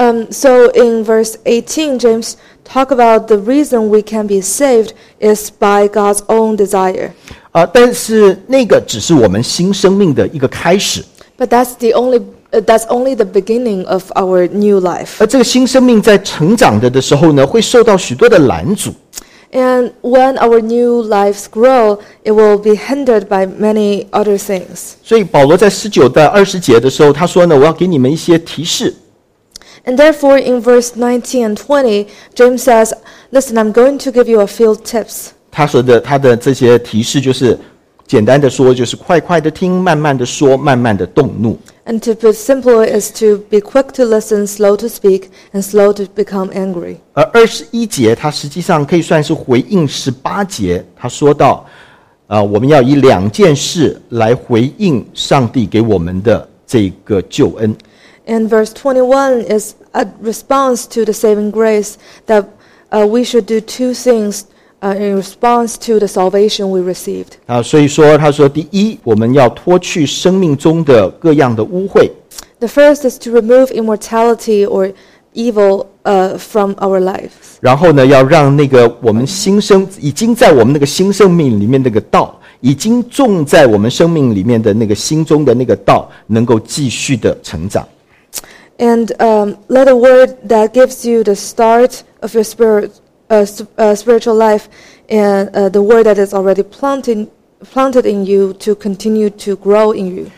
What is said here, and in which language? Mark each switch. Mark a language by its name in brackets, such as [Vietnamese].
[English] So in verse 18, James talk about the reason we can be saved is by God's own desire. [Chinese] 但是那个只是我们新生命的一个开始。 [English] But that's only the beginning of our new life. [Chinese] 而这个新生命在成长的时候呢，会受到许多的拦阻。 [English] And when our new lives grow, it will be hindered by many other things. [Chinese] 所以保罗在十九到二十节的时候，他说呢，我要给你们一些提示。 [English] And therefore, in verse 19 and 20, James says, "Listen, I'm going to give you a few tips." [Chinese] 他说的他的这些提示就是，简单的说就是快快的听，慢慢的说，慢慢的动怒。 [English] And to put simply is to be quick to listen, slow to speak, and slow to become angry. [Chinese] 而二十一节，他实际上可以算是回应十八节，他说到，我们要以两件事来回应上帝给我们的这个救恩。 [English] And verse 21 is a response to the saving grace that we should do two things in response to the salvation we received. [Chinese] 所以说他说第一我们要脱去生命中的各样的污秽。 [English] The first is to remove immortality or evil from our life. [Chinese] 然后呢要让那个我们新生已经在我们那个新生命里面那个道已经种在我们生命里面的那个心中的那个道能够继续的成长。 [English] And let the word that gives you the start of your spiritual life and the word that is already planted in you to continue to grow in you.